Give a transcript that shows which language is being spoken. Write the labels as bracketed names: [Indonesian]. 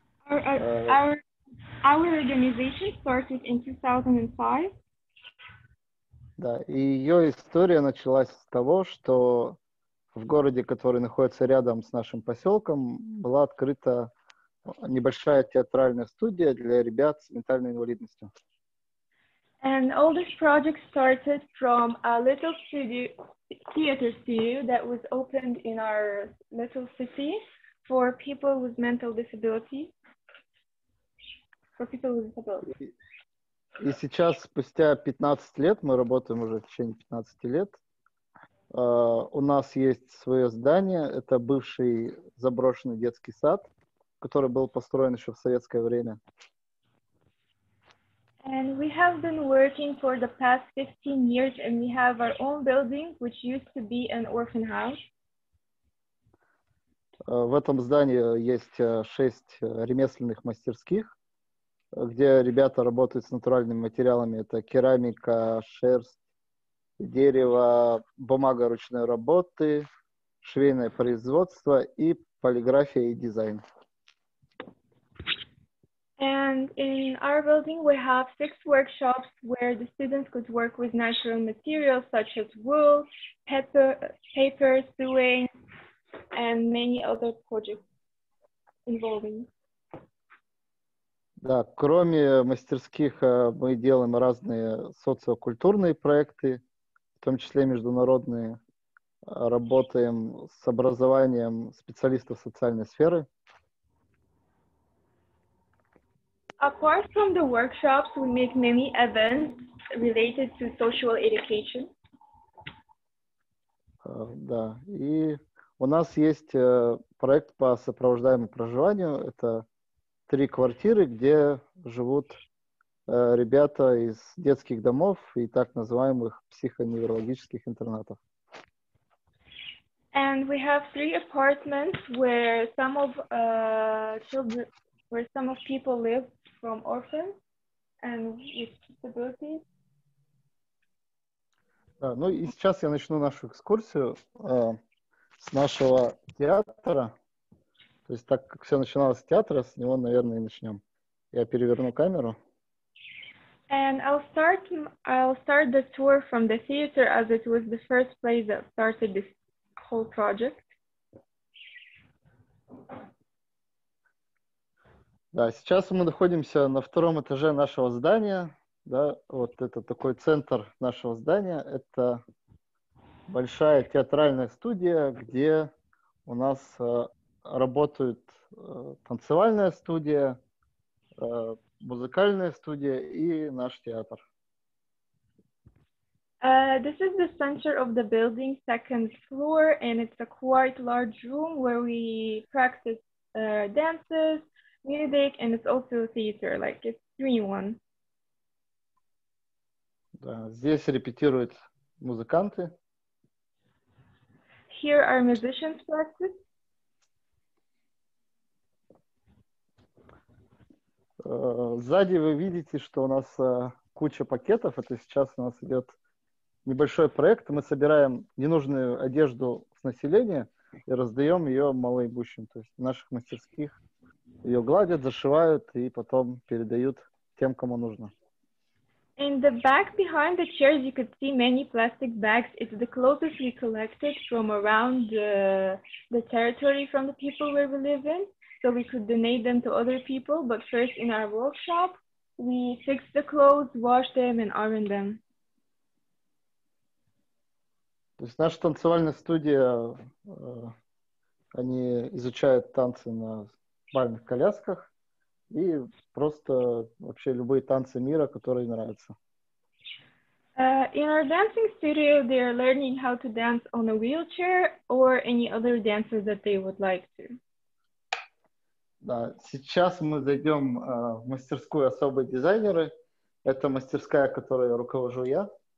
[English] Our organization started in 2005. [Russian] Да, и ее история началась с того, что в городе, который находится рядом с нашим поселком, была открыта небольшая театральная студия для ребят с ментальной инвалидностью. [English] And all this project started from a little theater studio that was opened in our little city for people with mental disabilities. [Russian] И сейчас, спустя 15 лет, мы работаем уже в течение 15 лет, у нас есть свое здание, это бывший заброшенный детский сад, который был построен еще в советское время. [English] And we have been working for the past 15 years, and we have our own building, which used to be an orphan house. [Russian] В этом здании есть 6 ремесленных мастерских, где ребята работают с натуральными материалами. Это керамика, шерсть, дерево, бумага ручной работы, швейное производство и полиграфия и дизайн. [English] And in our building we have 6 workshops where the students could work with natural materials such as wool, paper, sewing and many other projects involving. [Russian] Да, кроме мастерских мы делаем разные социокультурные проекты, в том числе международные. Работаем с образованием специалистов социальной сферы. [English] Apart from the workshops, we make many events related to social education. [Russian] Да, и у нас есть проект по сопровождаемому проживанию. Это 3 квартиры, где живут ребята из детских домов и так называемых психоневрологических интернатов. [English] And we have 3 apartments where some of children, where some of people live from orphans and with disabilities. [Russian] Да, ну и сейчас я начну нашу экскурсию с нашего театра. То есть так как все начиналось с театра, с него, наверное, и начнем. Я переверну камеру. [English] And I'll start the tour from the theater as it was the first place that started this whole project. [Russian] Да, сейчас мы находимся на 2-м этаже нашего здания. Да, вот это такой центр нашего здания. Это большая театральная студия, где у нас работают танцевальная студия, музыкальная студия и наш театр. [English] This is the center of the building, second floor, and it's a quite large room where we practice dances, music, and it's also a theater, like it's 3-in-1. [Russian] Да, здесь репетируют музыканты. [English] Here are musicians practice. [Russian] Сзади вы видите, что у нас куча пакетов. Это сейчас у нас идет небольшой проект. Мы собираем ненужную одежду с населения и раздаем ее малоимущим. То есть в наших мастерских ее гладят, зашивают и потом передают тем, кому нужно. [English] In the back behind the chairs you could see many plastic bags. It's the clothes we collected from around the territory from the people where we live in. So we could donate them to other people, but first in our workshop, we fix the clothes, wash them, and iron them. [Russian] То есть наша танцевальная студия, они изучают танцы на бальных колясках и просто вообще любые танцы мира, которые нравятся. [English] In our dancing studio, they are learning how to dance on a wheelchair or any other dances that they would like to. [Russian] Да, сейчас мы зайдем в мастерскую особые дизайнеры. Это мастерская, которой руковожу я.